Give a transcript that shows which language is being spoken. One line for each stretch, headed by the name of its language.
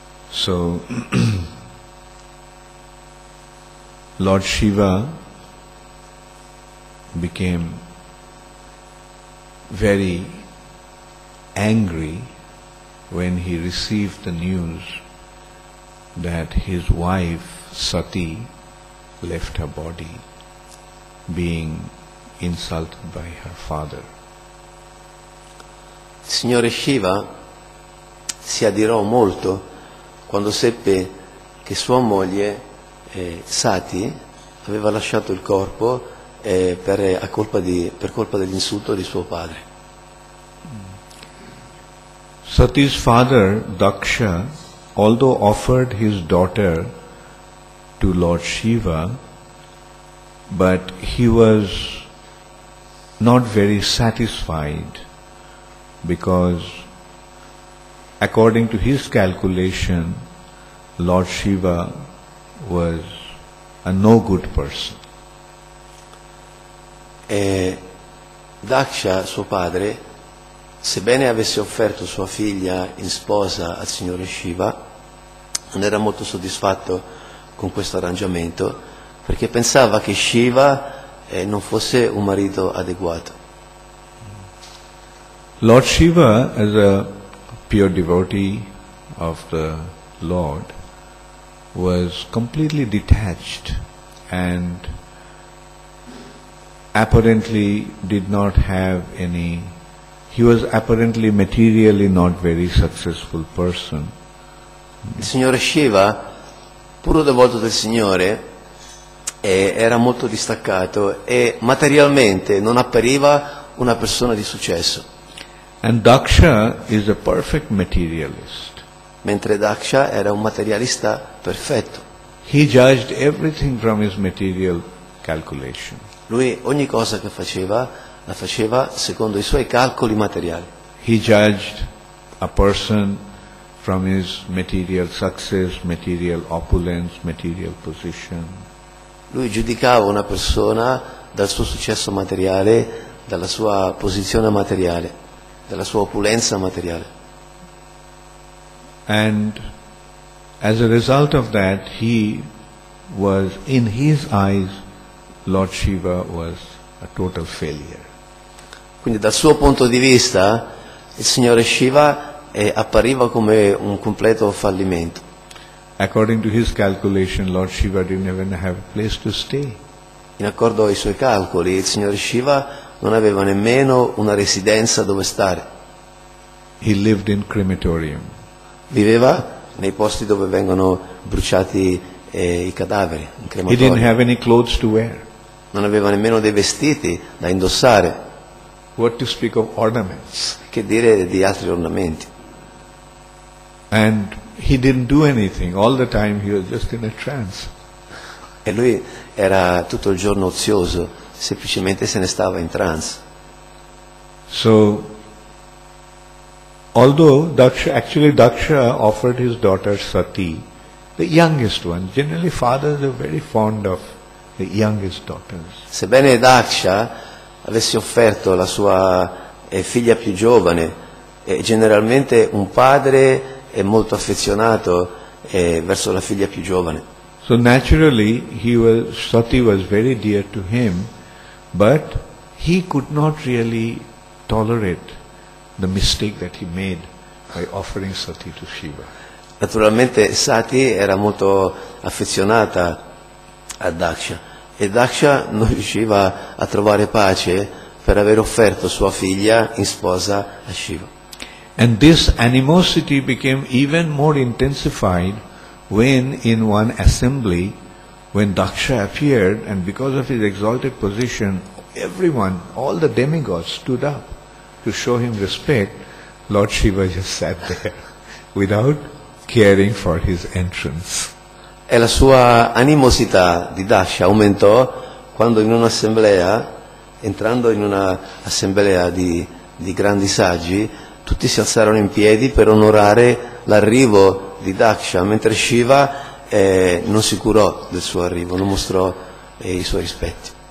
English: So, Lord Shiva became very angry when he received the news that his wife Sati left her body, being insulted by her father.
Italian: Il signore Shiva si adirò molto quando seppe che sua moglie Sati aveva lasciato il corpo per colpa dell'insulto di suo padre.
English: Sati's father Daksha, although offered his daughter to Lord Shiva, but he was not very satisfied, because according to his calculation, Lord Shiva was a no good person.
Italian: Daksha, suo padre, sebbene avesse offerto sua figlia in sposa al signore Shiva, non era molto soddisfatto con questo arrangiamento, perché pensava che Shiva non fosse un marito adeguato.
English: Lord Shiva, as a pure devotee of the Lord, was completely detached and apparently did not have any... He was apparently materially not very successful person.
Italian: Il signore Shiva, puro devoto del Signore, era molto distaccato e materialmente non appariva una persona di successo.
English: And Daksha is a perfect materialist.
Italian: Mentre Daksha era un materialista perfetto.
English: He judged everything from his material calculation.
Italian: Lui ogni cosa che faceva la faceva secondo i suoi calcoli materiali.
English: He judged a person from his material success, material opulence, material position.
Italian: Lui giudicava una persona dal suo successo materiale, dalla sua posizione materiale, dalla sua opulenza materiale.
English: And as a result of that, he was, in his eyes, Lord Shiva was a total failure.
Italian: Quindi dal suo punto di vista, il signore Shiva e appariva come un completo fallimento.
English: According to his calculation, Lord Shiva didn't even have a place to stay.
Italian: In accordo ai suoi calcoli, il signor Shiva non aveva nemmeno una residenza dove stare.
English: He lived in crematorium.
Italian: Viveva nei posti dove vengono bruciati i cadaveri, in crematorio.
English: He didn't have any clothes to wear.
Italian: Non aveva nemmeno dei vestiti da indossare.
English: What to speak of ornaments?
Italian: Che dire di altri ornamenti?
English: And he didn't do anything. All the time he was just in a trance.
Italian: E lui era tutto il giorno ozioso, semplicemente se ne stava in trance.
English: So, although Daksha offered his daughter Sati, the youngest one. Generally, fathers are very fond of the youngest daughters.
Italian: Sebbene Daksha avesse offerto la sua figlia più giovane. Generalmente un padre è molto affezionato verso la figlia più giovane.
English: So naturally Sati was very dear to him, but he could not really tolerate the mistake that he made by offering Sati to Shiva.
Italian: Naturalmente Sati era molto affezionata a Daksha e Daksha non riusciva a trovare pace per aver offerto sua figlia in sposa a Shiva.
English: And this animosity became even more intensified when in one assembly, when Daksha appeared, and because of his exalted position, everyone, all the demigods stood up to show him respect. Lord Shiva just sat there without caring for his entrance.
Italian: E la sua animosità di Daksha aumentò quando in un'assemblea, entrando in un'assemblea di grandi saggi, tutti si alzarono in piedi per onorare l'arrivo di Daksha, mentre Shiva non si curò del suo arrivo, non mostrò i suoi rispetti.